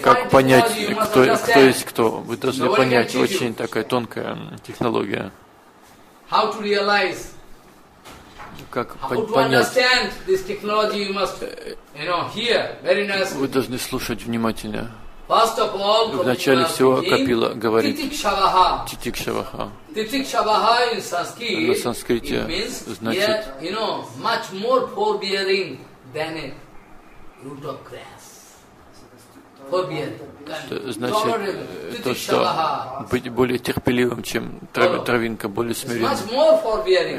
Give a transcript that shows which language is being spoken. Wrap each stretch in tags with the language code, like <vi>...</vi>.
<ru>Как понять, кто есть кто? Вы должны понять, очень такая тонкая технология.</ru> <en>How to realize?</en> <ru>Как понять? Вы должны слушать внимательно. Вначале всего Капила говорит титикшаваха. Титикшаваха на санскрите</ru> <en>значит much more forbearing than a root of grass.</en> <ru>значит то, что быть более терпеливым, чем травинка, более смиренным.</ru>